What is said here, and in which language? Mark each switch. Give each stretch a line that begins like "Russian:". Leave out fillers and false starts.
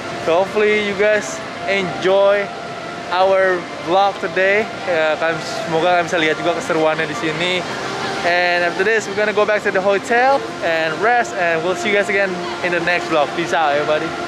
English: So hopefully you guys enjoy our vlog today.
Indonesian: Semoga kalian bisa lihat juga keseruannya di sini.
English: And after this, we're gonna go back to the hotel and rest. And we'll see you guys again in the next vlog. Peace out, everybody.